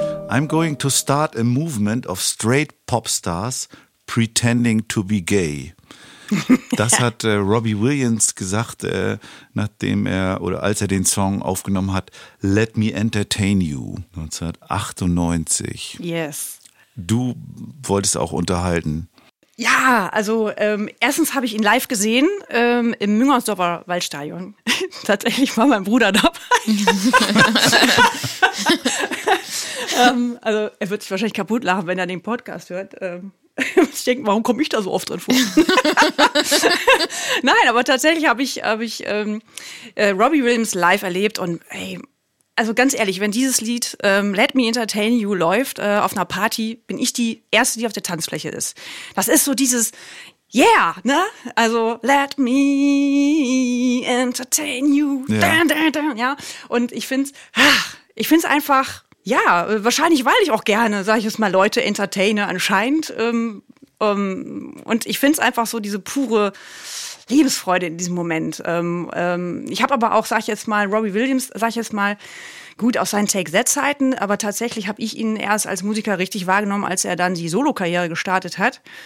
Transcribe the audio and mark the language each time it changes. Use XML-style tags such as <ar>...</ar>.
<en>I'm going to start a movement of straight pop stars pretending to be gay.</en> <de>Das hat Robbie Williams gesagt, nachdem er oder als er den Song aufgenommen hat, Let Me Entertain You, 1998.</de> <en>Yes.</en> <de>Du wolltest auch unterhalten. Ja, also erstens habe ich ihn live gesehen im Müngersdorfer Waldstadion. Tatsächlich war mein Bruder dabei. also er wird sich wahrscheinlich kaputt lachen, wenn er den Podcast hört. Ich denke, warum komme ich da so oft drin vor? Nein, aber tatsächlich habe ich Robbie Williams live erlebt und ey, also ganz ehrlich, wenn dieses Lied Let Me Entertain You läuft auf einer Party, bin ich die Erste, die auf der Tanzfläche ist. Das ist so dieses, Yeah, ne?</de> <en>Also, let me entertain you. Ja. Dun, dun, dun, ja.</en> <de>Und ich find's einfach, ja, wahrscheinlich, weil ich auch gerne, sag ich es mal, Leute entertaine anscheinend. Und ich find's einfach so diese pure Lebensfreude in diesem Moment. Ich habe aber auch, sag ich jetzt mal, Robbie Williams, sag ich jetzt mal, gut aus seinen Take-That-Zeiten, aber tatsächlich habe ich ihn erst als Musiker richtig wahrgenommen, als er dann die Solo-Karriere gestartet hat.</de>